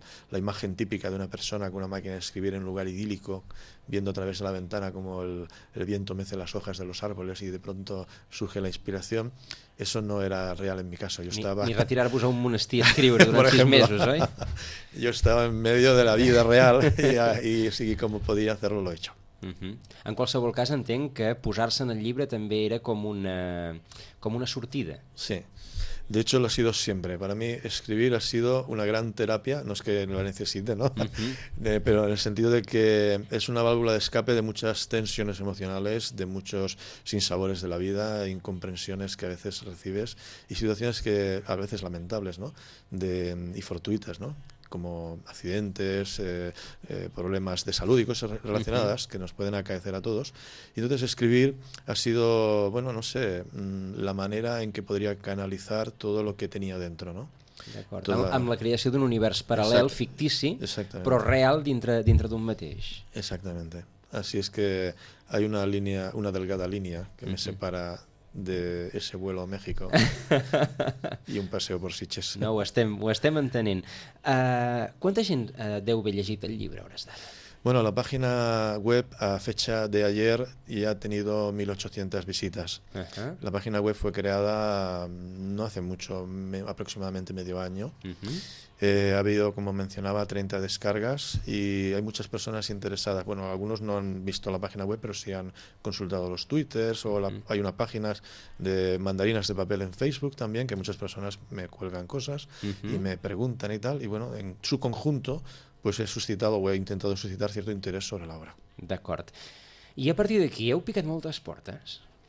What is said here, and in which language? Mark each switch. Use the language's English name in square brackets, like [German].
[Spanish] La imagen típica de una persona con una máquina de escribir en un lugar idílico, viendo a través de la ventana cómo el viento mece las hojas de los árboles y de pronto surge la inspiración, eso no era real en mi caso. Yo estaba... [Catalan] ni retirar-vos a un monestir a escriure durant 6 mesos, oi? [Spanish] Yo estaba en medio de la vida real y así como podía hacerlo, lo he hecho. [Catalan] En qualsevol cas entenc que posar-se en el llibre també era com una sortida. [Spanish] Sí, de hecho lo ha sido siempre. Para mí escribir ha sido una gran terapia, no es que no la necesite, ¿no? Pero en el sentido de que es una válvula de escape de muchas tensiones emocionales, de muchos sinsabores de la vida, incomprensiones que a veces recibes y situaciones que a veces lamentables, ¿no? Y fortuitas, ¿no? Como accidentes, problemas de salud y cosas relacionadas que nos pueden acaecer a todos. Y entonces escribir ha sido, bueno, no sé, la manera en que podría canalizar todo lo que tenía dentro, ¿no? [Catalan] D'acord, amb la creació d'un univers paral·lel, exacte, fictici, exactament, però real dintre d'un mateix. [Spanish] Exactamente. Así es que hay una línea, una delgada línea que me separa de ese vuelo a México y un paseo por Sitges. [Catalan] No, ho estem entenent. [Spanish] ¿Cuánta gente deu haber llegit el libro ahora? Bueno, la página web a fecha de ayer ya ha tenido 1.800 visitas. La página web fue creada no hace mucho, aproximadamente medio año. Ha habido, como mencionaba, 30 descargas y hay muchas personas interesadas. Bueno, algunos no han visto la página web, pero sí han consultado los twitters o hay una página de mandarinas de papel en Facebook también, que muchas personas me cuelgan cosas y me preguntan y tal. Y bueno, en su conjunto, pues he suscitado o he intentado suscitar cierto interés sobre la obra. [Catalan] D'acord. I a partir d'aquí, heu picat moltes portes?